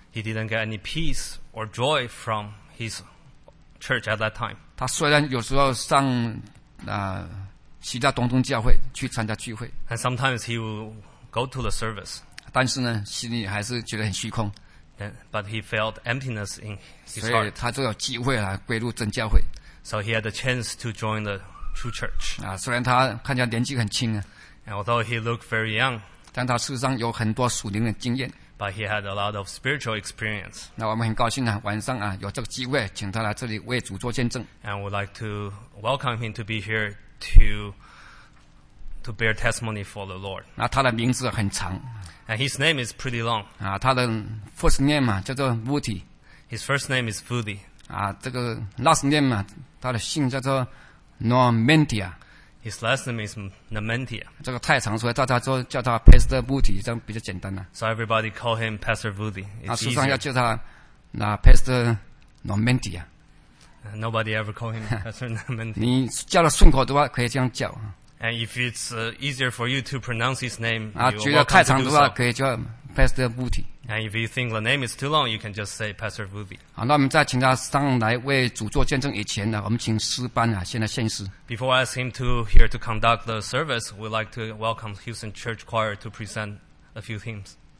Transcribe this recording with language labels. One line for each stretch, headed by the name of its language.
English: He didn't get any peace or joy from his church at that time.
Chinese: 他虽然有时候上其他东东教会去参加聚会
English: ，and sometimes he will go to the service.
Chinese: 但是呢，心里还是觉得很虚空。
English: But he felt emptiness in his heart.
Chinese: 所以他就有机会啊，归入真教会。
English: So he had a chance to join the true church.
Chinese: 啊，虽然他看起来年纪很轻啊
English: ，and although he looked very young,
Chinese: 但他事实上有很多属灵的经验。
English: But he had a lot of spiritual experience.
Chinese: 那我们很高兴啊，晚上啊有这个机会，请他来这里为主做见证。
English: And would like to welcome him to be here to bear testimony for the Lord.
Chinese: 那他的名字很长。
English: And his name is pretty long.
Chinese: 啊，他的 first name 啊叫做 Vuti.
English: His first name is Vuti.
Chinese: 啊，这个 last name 啊，他的姓叫做 Normantia.
English: His last name is Normantia.
Chinese: 这个太长，所以叫他 Pastor Vuti 这样比较简单了。
English: So everybody call him Pastor Vuti.
Chinese: 那事实上要叫他那 Pastor Normantia。
English: Nobody ever call him Pastor Normantia.
Chinese: 你叫他顺口的话，可以这样叫。
English: And if it's easier for you to pronounce his name,
Chinese: 啊，觉得太长的话，可以叫 Pastor Vuti。
English: And if you think the name is too long, you can just say Pastor Vuti。
Chinese: 好，那我们在请他上来为主做见证以前呢，我们请诗班啊，先来献诗。
English: Before I ask him to here to conduct the service, we'd like to welcome Houston Church Choir to present a few hymns.